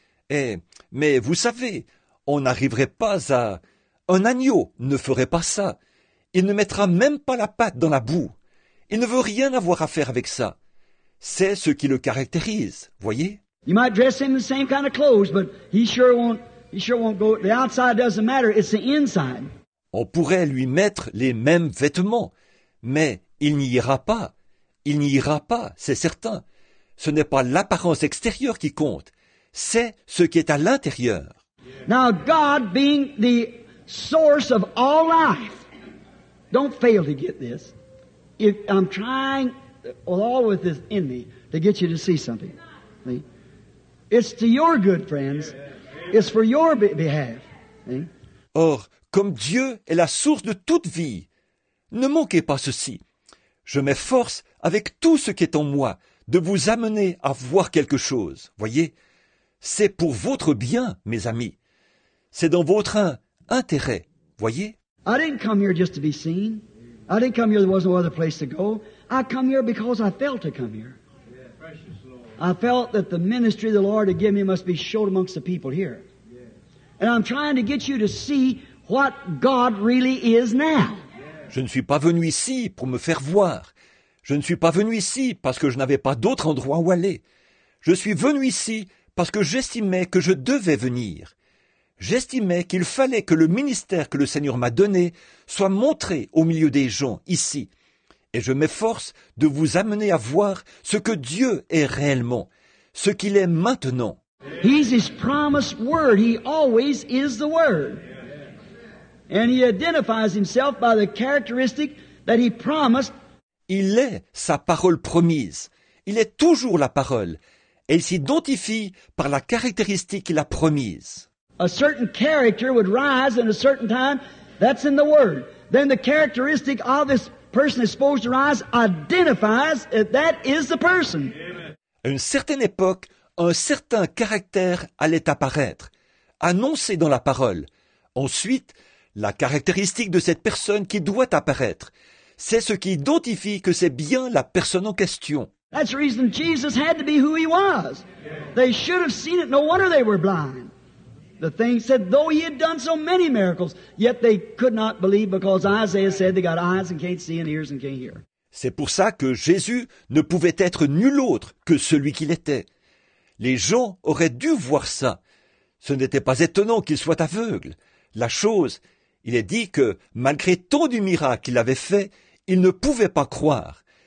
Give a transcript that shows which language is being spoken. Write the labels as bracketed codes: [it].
[fr] Mais vous savez, on n'arriverait pas à... Un agneau ne ferait pas ça. Il ne mettra même pas la patte dans la boue. Il ne veut rien avoir à faire avec ça. C'est ce qui le caractérise, voyez? [en] You might dress him in the same kind of clothes, but he sure won't go... The outside doesn't matter, it's the inside. [fr] On pourrait lui mettre les mêmes vêtements, mais il n'y ira pas. Il n'y ira pas, c'est certain. Ce n'est pas l'apparence extérieure qui compte, c'est ce qui est à l'intérieur. [en] Now God being the source of all life, don't fail to get this. If I'm trying all with this in me to get you to see something, see? It's to your good, friends. It's for your behalf. See? [fr] Or, comme Dieu est la source de toute vie, ne manquez pas ceci. Je m'efforce avec tout ce qui est en moi de vous amener à voir quelque chose, voyez? C'est pour votre bien, mes amis. C'est dans votre intérêt, voyez? [en] I didn't come here just to be seen. I didn't come here, there was no other place to go. I come here because I felt to come here. I felt that the ministry the Lord had given me must be showed amongst the people here. And I'm trying to get you to see what God really is now. [fr] Je ne suis pas venu ici pour me faire voir. Je ne suis pas venu ici parce que je n'avais pas d'autre endroit où aller. Je suis venu ici parce que j'estimais que je devais venir. J'estimais qu'il fallait que le ministère que le Seigneur m'a donné soit montré au milieu des gens, ici. Et je m'efforce de vous amener à voir ce que Dieu est réellement, ce qu'il est maintenant. [en] He's his promised word. He always is the word. And he identifies himself by the characteristic that he promised. [fr] Il est sa parole promise. Il est toujours la parole. Et il s'identifie par la caractéristique qu'il a promise. [en] A certain character would rise in a certain time. That's in the Word. Then the characteristic of this person is supposed to rise identifies that that is the person. [fr] À une certaine époque, un certain caractère allait apparaître, annoncé dans la parole. Ensuite, la caractéristique de cette personne qui doit apparaître. C'est ce qui identifie que c'est bien la personne en question. [en] That's the reason Jesus had to be who he was. They should have seen it. No wonder they were blind. The thing said, though he had done so many miracles, yet they could not believe because Isaiah said they got eyes and can't see and ears and can't hear. [fr] C'est pour ça que Jésus ne pouvait être nul autre que celui qu'il était. Les gens auraient dû voir ça. Ce n'était pas étonnant qu'il soit aveugle. La chose... Il est dit que, malgré tant du miracle qu'il avait fait, il ne pouvait pas croire.